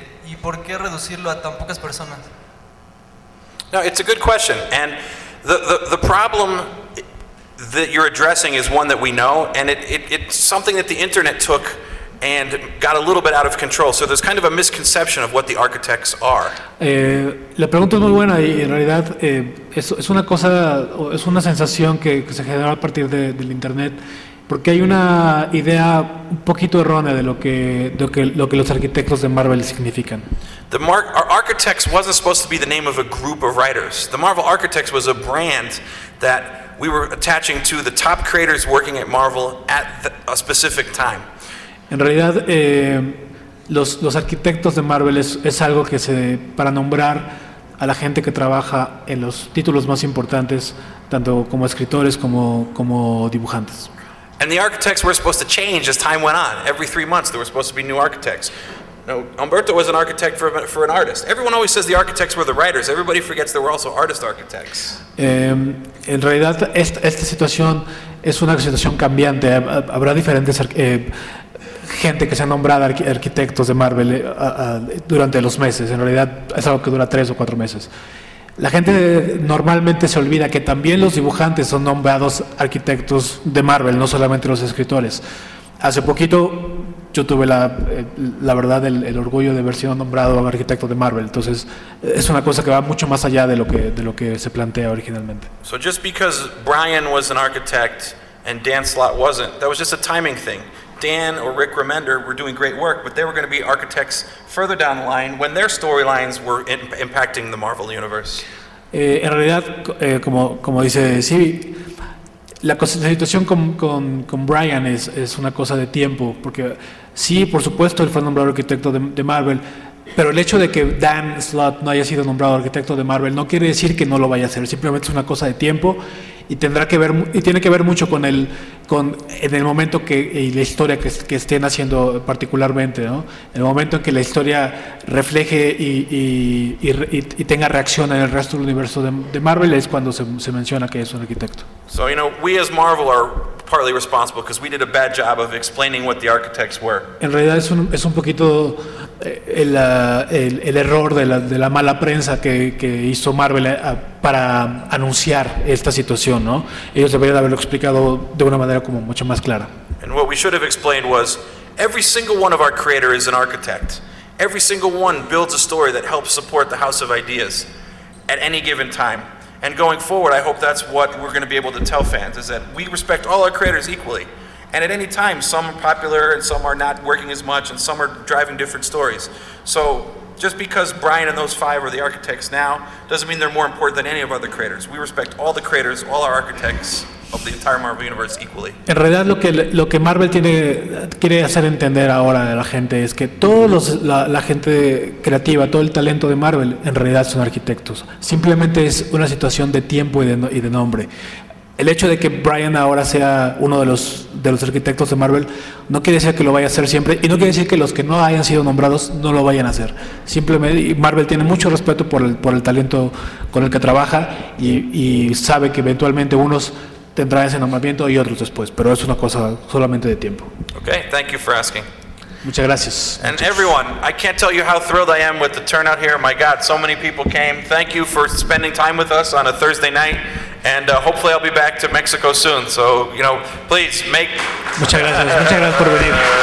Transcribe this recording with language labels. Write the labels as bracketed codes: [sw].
[es] ¿Y por qué reducirlo a tan pocas personas? [en] No, it's a good question. And the problem that you're addressing is one that we know, and it's something that the internet took and got a little bit out of control. So there's kind of a misconception of what the architects are. [es] La pregunta es muy buena y en realidad es una cosa, es una sensación que se genera a partir del internet, porque hay una idea un poquito errónea de lo que los arquitectos de Marvel significan. [en] Our architects wasn't supposed to be the name of a group of writers. The Marvel Architects was a brand that we were attaching to the top creators working at Marvel at a specific time. [es] En realidad, los arquitectos de Marvel es algo que se para nombrar a la gente que trabaja en los títulos más importantes, tanto como escritores como dibujantes. [en] And the architects were supposed to change as time went on. Every 3 months, there were supposed to be new architects. Now, Umberto was an architect for an artist. Everyone always says the architects were the writers. Everybody forgets there were also artist architects. [es] En realidad, esta situación es una situación cambiante. Habrá diferentes gente que se ha nombrado arquitectos de Marvel durante los meses. En realidad, es algo que dura 3 o 4 meses. La gente normalmente se olvida que también los dibujantes son nombrados arquitectos de Marvel, no solamente los escritores. Hace poquito yo tuve la verdad el orgullo de haber sido nombrado arquitecto de Marvel. Entonces es una cosa que va mucho más allá de lo que se plantea originalmente. [en] So just because Brian was an architect and Dan Slott wasn't, that was just a timing thing. Dan or Rick Remender were doing great work, but they were going to be architects further down the line when their storylines were impacting the Marvel universe. [es] En realidad, como dice Civi, la situación con Brian es una cosa de tiempo, porque sí, por supuesto, él fue nombrado arquitecto de Marvel, pero el hecho de que Dan Slott no haya sido nombrado arquitecto de Marvel no quiere decir que no lo vaya a hacer. Simplemente es una cosa de tiempo y tendrá que ver y tiene que ver mucho con el momento que y la historia que estén haciendo particularmente, ¿no? El momento en que la historia refleje y tenga reacción en el resto del universo de Marvel es cuando se menciona que es un arquitecto. [en] So, you know, we as Marvel are partly responsible because we did a bad job of explaining what the architects were. [es] En realidad es un poquito el error de la mala prensa que hizo Marvel para anunciar esta situación, ¿no? Ellos deberían haberlo explicado de una manera como mucho más clara. [en] And what we should have explained was every single one of our creators is an architect. Every single one builds a story that helps support the House of Ideas at any given time. And going forward, I hope that's what we're going to be able to tell fans, is that we respect all our creators equally. And at any time, some are popular and some are not working as much and some are driving different stories. So just because Brian and those 5 are the architects now doesn't mean they're more important than any of other creators. We respect all the creators, all our architects of the entire Marvel Universe equally. [es] En realidad, lo que Marvel quiere hacer entender ahora a la gente es que todos la gente creativa, todo el talento de Marvel, en realidad son arquitectos. Simplemente es una situación de tiempo y de nombre. El hecho de que Brian ahora sea uno de los arquitectos de Marvel no quiere decir que lo vaya a hacer siempre y no quiere decir que los que no hayan sido nombrados no lo vayan a hacer. Simplemente Marvel tiene mucho respeto por el talento con el que trabaja y sabe que eventualmente unos tendrán ese nombramiento y otros después, pero es una cosa solamente de tiempo. [en] Okay, thank you for asking. [es] Muchas gracias. [en] And everyone, I can't tell you how thrilled I am with the turnout here. My God, so many people came. Thank you for spending time with us on a Thursday night. And hopefully I'll be back to Mexico soon. So, you know, please make... [es] Muchas gracias. Muchas gracias por venir.